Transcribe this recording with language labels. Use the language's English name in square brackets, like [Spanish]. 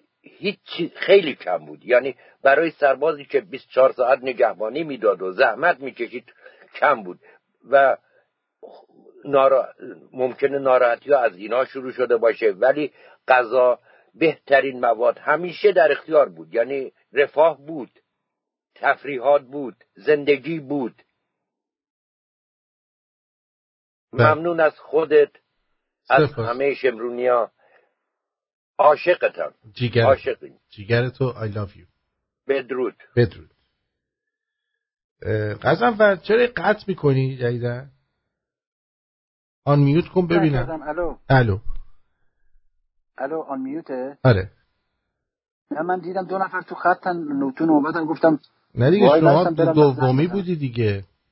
[Persian] هیچ خیلی کم بود، یعنی برای سربازی که 24 ساعت نگهبانی میداد و زحمت میکشید کم بود و ممکنه ناراحتی ها از اینا شروع شده باشه، ولی غذا بهترین مواد همیشه در اختیار بود، یعنی رفاه بود، تفریحات بود، زندگی بود. ممنون از خودت، از همه شمرونی ها، عاشقتم، جیگر تو، [English] I love you. [Persian] بدرود. بدرود. قزم فر چرا قطع میکنی جدیدا؟ آن میوت کن ببینم. قزم الو. الو. الو آن میوته؟ آره. نه من دیدم دو نفر تو خطن نوتون اومدن گفتم نه دیگه شما دومی بودی دیگه.